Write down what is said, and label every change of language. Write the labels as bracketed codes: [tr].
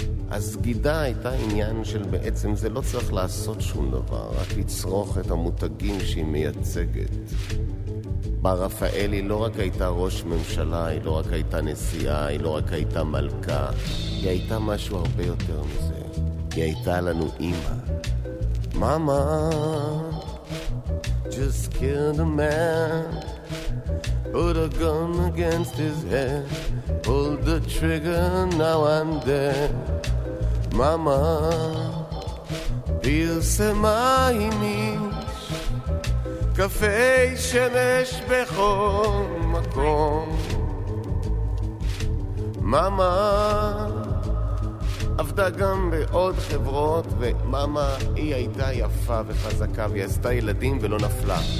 [he] הסגידה הייתה עניין של בעצם זה לא צריך לעשות שום דבר, רק לצרוך את המותגים שהיא מייצגת. בר רפאל היא לא רק הייתה ראש ממשלה, היא לא רק הייתה נשיאה, היא לא רק הייתה מלכה, היא הייתה משהו הרבה יותר מזה. היא הייתה לנו אימא. [en] Mama, just killed a man, put a gun against his head, pulled the trigger, now I'm dead. [he] Mama, פרסמה עם איש קפה שמש בכל מקום. Mama, עבדה גם בעוד חברות, ומאמה היא הייתה יפה וחזקה והיא עשתה ילדים ולא נפלה.